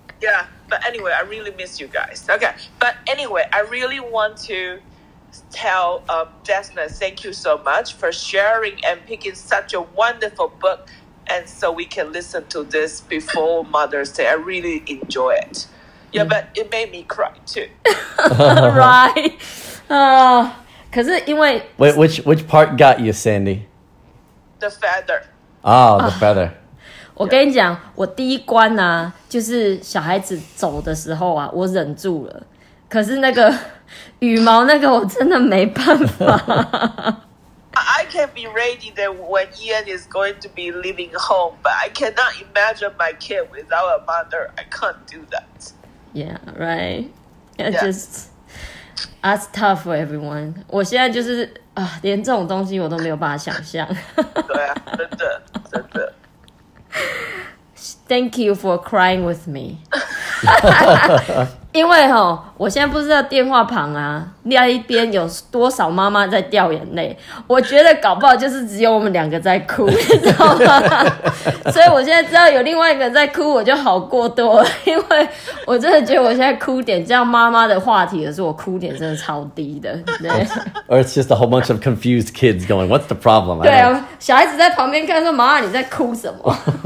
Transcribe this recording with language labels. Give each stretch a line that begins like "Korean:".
English: Yeah, but anyway, I really miss you guys. Okay, but anyway, I really want to tell Desna, thank you so much for sharing and picking such a wonderful book. And so we can listen to this before Mother's Day. I really enjoy it. Yeah, but it made me cry too. Right. Because it went... Wait, which part got you, Sandy? The feather. Oh, the feather.
Chinese: 我跟你讲，我第一关啊，就是小孩子走的时候啊，我忍住了。可是那个羽毛那个，我真的没办法。
English: I can be ready that when Ian is going to be leaving home, but I cannot imagine my kid without a mother. I can't do that. Yeah, right. Yeah, just that's tough for everyone.
Chinese: 我现在就是。啊，连这种东西我都没有办法想象。对啊，真的。
English: Thank you for crying with me.
Chinese: 因为齁，我现在不知道电话旁啊，那一边有多少妈妈在掉眼泪。我觉得搞不好就是只有我们两个在哭，你知道吗？所以我现在知道有另外一个在哭，我就好过多了。因为我真的觉得我现在哭点，这样妈妈的话题的时候，我哭点真的超低的。对
English: or it's just a whole bunch of confused kids going, what's the problem?
Chinese: 对啊，小孩子在旁边看说，妈妈你在哭什么？